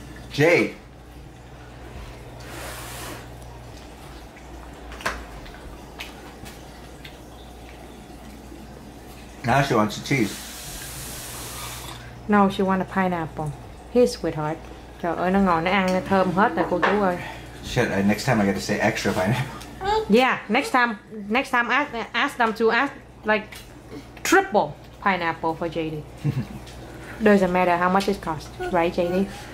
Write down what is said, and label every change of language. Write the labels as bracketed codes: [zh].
[en] Jay. Now she wants the cheese. No, she want a pineapple. His sweetheart. [vi] Trời ơi, nó ngon, nó ăn, nó thơm hết rồi cô chú ơi. [en] Shit, next time I got to say extra pineapple. Yeah, next time ask them to ask like triple pineapple for JD. Doesn't matter how much it costs, right JD?